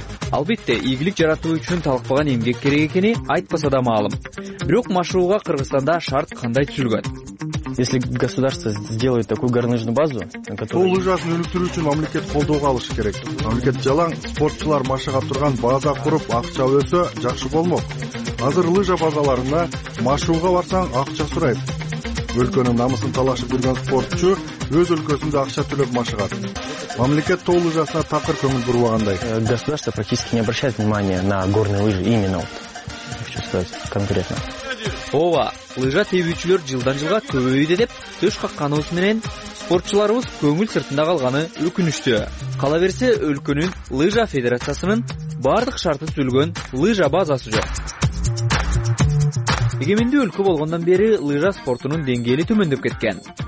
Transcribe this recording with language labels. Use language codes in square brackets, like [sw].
[ky] Албетте, ийгилик жаратуу үчүн талкпаган эмгек керек экени айтпаса да маалым. Бирок машыгууга Кыргызстанда шарт кандай түзүлгөн? [ru] Если государство сделает такую горнолыжную базу, которая... [ky] Лыжасын өнүктүрүү үчүн мамлекет колдоого алышы керек. Мамлекет жалаң, спортчулар машыга турган база куруп, акча өсө жакшы болмок. Азыр лыжа базаларында машыгууга барсаң акча сурайт. Өлкөнүн намысын талашып жүргөн спортчу өз өлкөсүндө акча төлөп машыгат. Мамлекет тоо лыжасына такыр көңүл бурбагандай. [ru] Государство практически не обращает внимания на горные лыжи именно. Хочу сказать конкретно. [ky] Ооба, лыжа тебүүчүлөр жылдан жылга көбөйүүдө деп төш какканыбыз менен спортчуларыбыз көңүл сыртында калганы өкүнүчтүү. Кала берсе өлкөнүн лыжа федерациясынын бардык шарты түзүлгөн лыжа базасы жок. Эгемендүү өлкө болгондон бери лыжа спортунун деңгээли төмөндөп кеткен.